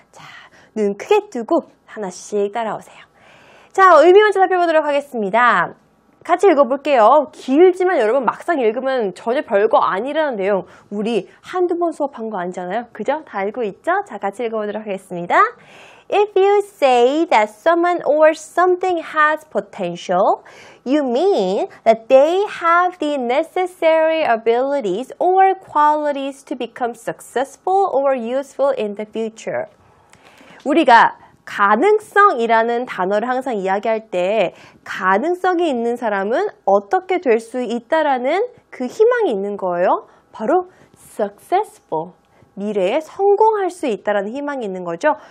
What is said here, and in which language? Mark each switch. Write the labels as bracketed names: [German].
[Korean] 자, 눈 크게 뜨고 하나씩 따라오세요. 자, 의미 먼저 살펴보도록 하겠습니다. 같이 읽어볼게요. 길지만 여러분 막상 읽으면 전혀 별거 아니라는 내용. 우리 한두 번 수업한 거 아니잖아요. 그죠? 다 알고 있죠? 자, 같이 읽어보도록 하겠습니다. [English] If you say that someone or something has potential, you mean that they have the necessary abilities or qualities to become successful or useful in the future. [Korean] 우리가 가능성이라는 단어를 항상 이야기할 때 가능성이 있는 사람은 어떻게 될 수 있다라는 그 희망이 있는 거예요. 바로 successful. 미래에 성공할 수 있다라는 희망이 있는 거죠.